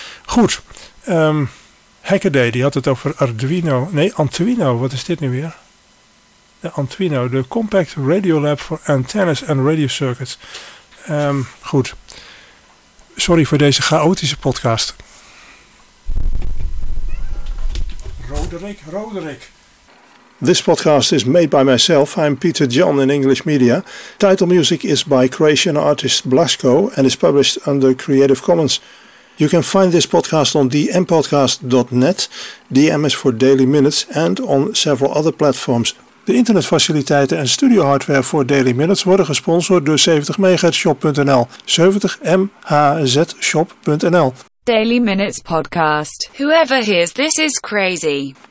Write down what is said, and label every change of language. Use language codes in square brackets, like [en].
[nl] Goed. Hackaday, die had het over Arduino. Nee, Antuino. Wat is dit nu weer? De Antuino. De Compact Radio Lab for Antennas and Radio Circuits. Goed. Sorry voor deze chaotische podcast. Roderick. [en] This podcast is made by myself. I'm Peter John in English Media. Title music is by Croatian artist Blasco and is published under Creative Commons. You can find this podcast on dmpodcast.net, DM is for Daily Minutes, and on several other platforms. [nl] De internetfaciliteiten en studio hardware voor Daily Minutes worden gesponsord door 70MHzShop.nl. 70MHzShop.nl. [en] Daily Minutes Podcast. Whoever hears this is crazy.